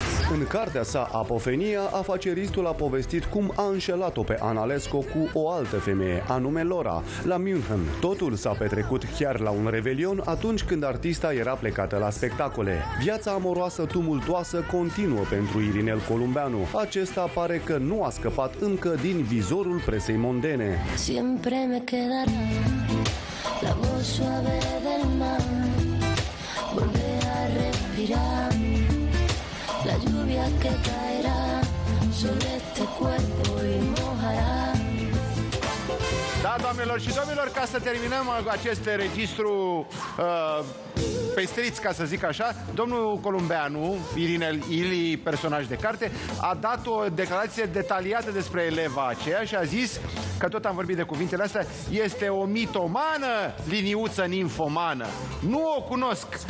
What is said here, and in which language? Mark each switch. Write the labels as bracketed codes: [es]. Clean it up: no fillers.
[ro] În cartea sa Apofenia, afaceristul a povestit cum a înșelat-o pe Ana Lesco cu o altă femeie, anume Laura, la München. Totul s-a petrecut chiar la un revelion atunci când artista era plecată la spectacole. Viața amoroasă tumultoasă continuă pentru Irinel Columbeanu. Acesta pare că nu a scăpat încă din vizorul presei mondene. [es] Siempre me quedará la voz suave del mar, volver a respirar. La lluvia que caerá sobre este cuerpo y mojará. [ro] Da, doamnelor și domnilor, ca să terminăm acest registru pestriț, ca să zic așa, domnul Columbeanu, Irinel Ili, personaj de carte, a dat o declarație detaliată despre eleva aceea și a zis, că tot am vorbit de cuvintele astea, este o mitomană, liniuță nimfomană. Nu o cunosc.